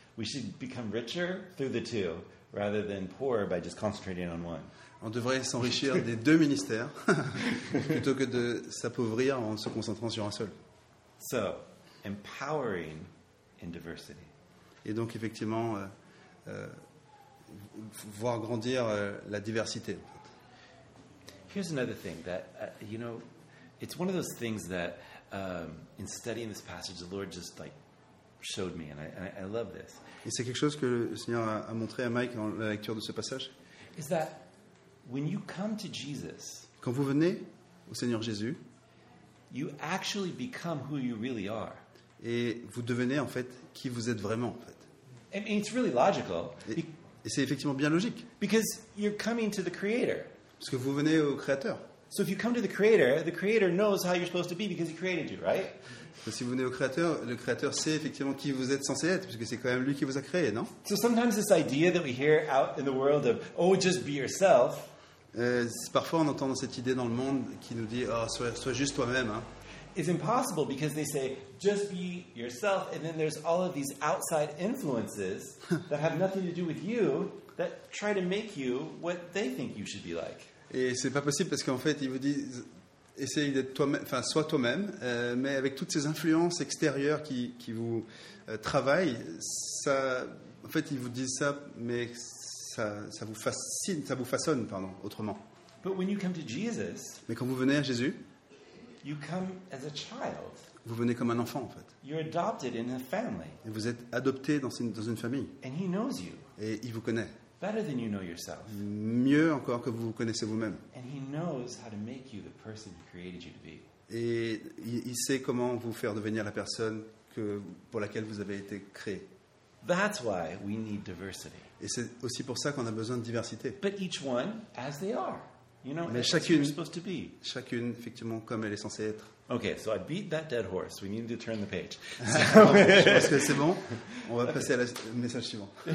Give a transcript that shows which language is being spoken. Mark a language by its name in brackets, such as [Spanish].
[English] We should become richer through the two, rather than poorer by just concentrating on one. [French] On devrait s'enrichir des deux ministères plutôt que de s'appauvrir en se concentrant sur un seul. [English] So, empowering in diversity. [French] Et donc effectivement, voir grandir la diversité. En fait. [English] Here's another thing that you know, it's one of those things that in studying this passage, the Lord just like showed me, and I love this. [French] Et c'est quelque chose que le Seigneur a montré à Mike dans la lecture de ce passage. [English] Is that when you come to Jesus, [French] quand vous venez au Seigneur Jésus, [English] you actually become who you really are. [French] Et vous devenez en fait qui vous êtes vraiment, en fait. [English] And it's really logical. [French] Et c'est effectivement bien logique. [English] Because you're coming to the Creator. [French] Parce que vous venez au Créateur. [English] So if you come to the Creator knows how you're supposed to be because He created you, right? [French] Si vous venez au Créateur, le Créateur sait effectivement qui vous êtes censé être, puisque c'est quand même lui qui vous a créé, non? [English] So sometimes this idea that we hear out in the world of oh, just be yourself. [French] Parfois, on entend cette idée dans le monde qui nous dit oh, sois juste toi-même. Hein. [English] It's impossible because they say just be yourself, and then there's all of these outside influences that have nothing to do with you that try to make you what they think you should be like. [French] Et c'est pas possible parce qu'en fait, ils vous disent. Essaye d'être toi-même, enfin, sois toi-même, mais avec toutes ces influences extérieures qui vous travaillent, ça, en fait, ils vous disent ça, mais ça vous fascine, ça vous façonne, pardon, autrement. [English] But when you come to Jesus, [French] mais quand vous venez à Jésus, [English] you come as a child. [French] Vous venez comme un enfant, en fait. [English] You're adopted in a family. [French] Et vous êtes adopté dans une famille. [English] And he knows you. [French] Et il vous connaît. [English] Better than you know yourself. [French] Mieux encore que vous vous connaissez vous-même. [English] And he knows how to make you the person he created you to be. [French] Et il sait comment vous faire devenir la personne que pour laquelle vous avez été créé. [English] That's why we need diversity. [French] Et c'est aussi pour ça qu'on a besoin de diversité. [English] But each one as they are. You know, [French] mais [English] as [French] chacune, [English] you're supposed to be. [French] Chacune effectivement comme elle est censée être. [English] Okay, so I beat that dead horse. We need to turn the page. [French] Je pense que c'est bon. On va passer au message suivant.